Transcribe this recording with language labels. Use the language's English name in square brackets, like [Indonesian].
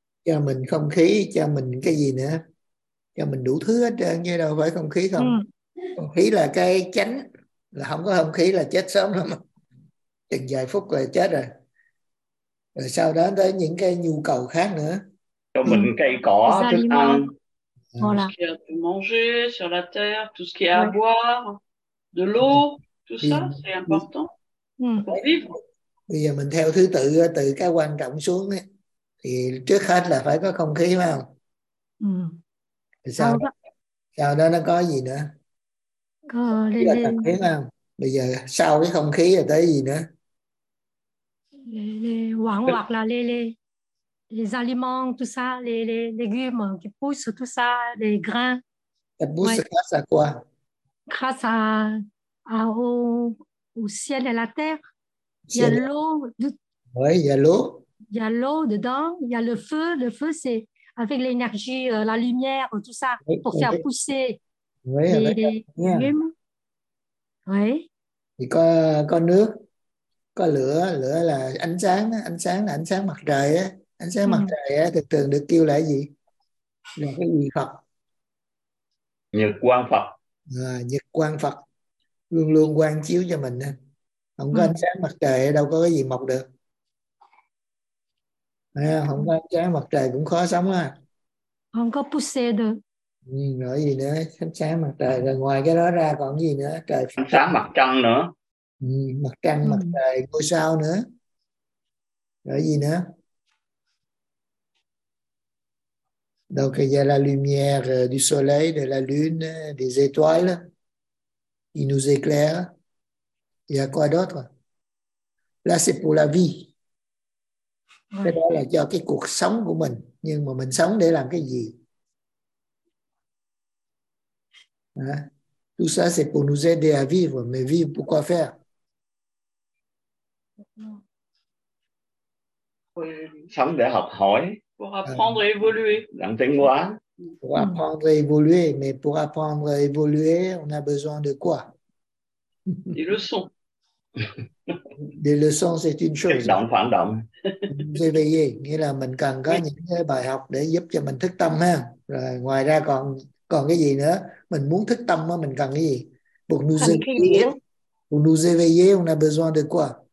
[Vietnamese] Cho mình không khí, cho mình cái gì nữa, cho mình đủ thứ hết trơn, nghe đâu phải không khí không. Không khí là cái chánh, là không có không khí là chết sớm lắm, chừng vài phút là chết rồi. Rồi sau đó tới những cái nhu cầu khác nữa, cho mình cây cỏ, thức ăn, [French] manger sur la terre, tout ce qui est à boire, de l'eau, tout ça c'est important pour vivre. [Vietnamese] Bây giờ mình theo thứ tự từ cái quan trọng xuống ấy. Thì trước hết là phải có không khí, phải không? Ừ. Rồi sau, sau đó nó có gì nữa? Có không khí, phải không? Bây giờ sau cái không khí là tới gì nữa? Hoảng hoặc là [French] les aliments, tout ça, les légumes qui poussent, tout ça, les grains. Ça pousse ouais. Grâce à quoi? Grâce au ciel et à la terre. Il y a l'eau. Oui, il y a l'eau. Il y a l'eau dedans, il y a le feu. Le feu, c'est avec l'énergie, la lumière, tout ça, pour faire pousser les légumes. Oui. Il y a [Vietnamese] con nước, có lửa, lửa là ánh sáng mặt trời. Ánh sáng mặt trời thường thường được kêu là gì? Là cái gì Phật? Nhật quang Phật. À, nhật quang Phật. Luôn luôn quang chiếu cho mình. Không có ánh sáng mặt trời đâu có cái gì mọc được. À, không có trái mặt trời cũng khó sống ha. Không có pousser được. Ừ, rồi gì nữa, ánh sáng mặt trời. Rồi ngoài cái đó ra còn gì nữa? Trời ánh sáng mặt trăng nữa. Ừ, mặt trăng, mặt trời, ngôi sao nữa. Rồi gì nữa? [French] Donc il y a la lumière du soleil, de la lune, des étoiles. Il nous éclaire. Il y a quoi d'autre? Là c'est pour la vie. [Vietnamese] Cái đó là cho cái cuộc sống của mình. Nhưng mà mình sống để làm cái gì? Hả? [French] Tout ça c'est pour nous aider à vivre. Mais vivre pour quoi faire? [Vietnamese] Sống để học hỏi. [French] Pour apprendre et évoluer. [Vietnamese] Làm tiến hóa. [French] Pour apprendre et évoluer. Mais pour apprendre et évoluer, on a besoin de quoi? Des leçons. Des leçons, c'est une chose. [Vietnamese] Động, phản động. [French] Vous éveillez, [Vietnamese] nghĩa là mình cần có những cái bài học để giúp cho mình thức tâm ha. Rồi ngoài ra còn còn cái gì nữa? Mình muốn thức tâm mà mình cần cái gì? [French] Pour nous éveiller. Pour nous éveiller, on a besoin de quoi?